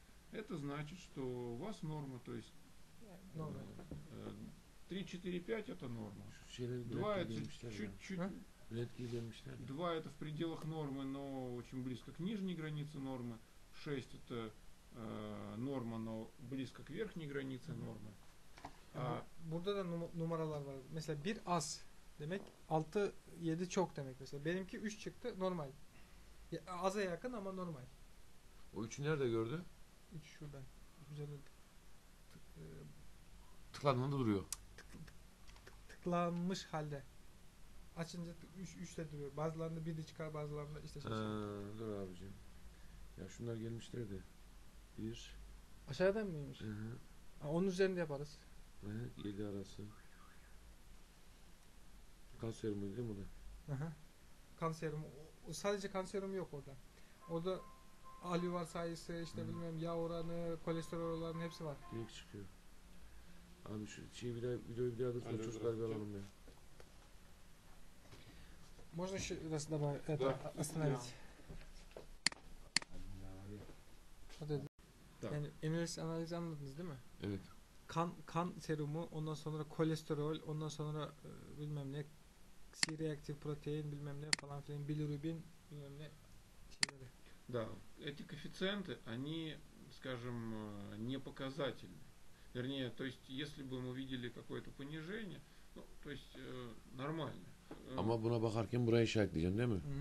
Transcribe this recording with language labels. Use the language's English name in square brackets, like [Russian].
[Russian] Это значит, что у вас норма, то есть 3-4-5 это норма. 2 это чуть-чуть. 2 это в пределах нормы, но очень близко к нижней границе нормы. 6 это норма, но близко к верхней границе нормы. [Turkish] Burada da numaralar var. Mesela 1 az demek 6-7 çok demek. Mesela benimki 3 çıktı normal. Aza yakın ama normal. O 3'ü nerede gördü? 3 şurada. Üzerinde tıklanmada duruyor. Tıklanmış halde. Açınca 3'te duruyor. Bazılarında 1'de çıkar, bazılarında işte şey. Ha, dur abicim. Ya şunlar gelmişlerdi. 1. Aşağıdan mıymış? Hı hı. Ha, onun üzerinde yaparız. Evet, 7 arası. Kan serumu değil mi bu da? Kan serumu. Sadece kan serumu yok orada. Orada alüvar sayısı, işte bilmiyorum, yağ oranı, kolesterol oranı hepsi var. Direkt çıkıyor. Abi şu şeyi bir daha, videoyu bir daha dursun. Çocuklar bir alalım ya. [Russian] Можно еще раз добавить, это, остановить. Вот это. [Turkish] Yani enerjisi analizi anladınız değil mi? Evet. Kan serumu, ondan sonra kolesterol, ondan sonra bilmem ne C-reaktif protein, bilmem ne falan filan, bilirubin, bilmem ne şeyleri. [Russian] Да, эти коэффициенты, они, скажем, не показательны. Вернее, то есть, если бы мы видели какое-то понижение, ну, то есть, нормально. [Turkish] Ama buna bakarken buraya işaretleyeceksin, değil mi?